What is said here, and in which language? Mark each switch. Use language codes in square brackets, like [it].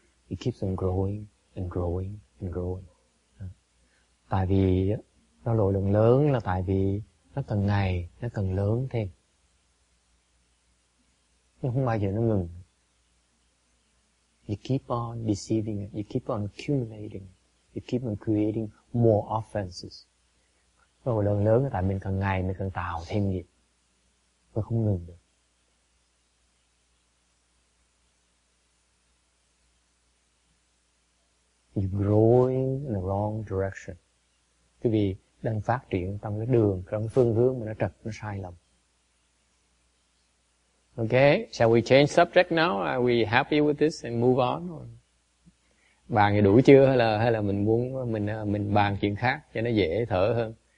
[en] It keeps on growing and growing and growing. [vi] Tại vì nó lỗi lầm lớn là tại vì nó càng ngày, nó càng lớn thêm. Nó không bao giờ nó ngừng. [en] You keep on deceiving it. You keep on accumulating it. You keep on creating more offenses. [vi] Rồi lần lớn là tại mình càng ngày mình càng tạo thêm nghiệp. Và không ngừng được. [en] You're growing in the wrong direction. [vi] Cái vì đang phát triển trong cái đường, trong cái phương hướng mà nó trật, nó sai lầm. [en] Okay, shall we change subject now? Are we happy with this and move on? [vi] Bàn thì đủ chưa hay là mình muốn mình bàn chuyện khác cho nó dễ thở hơn?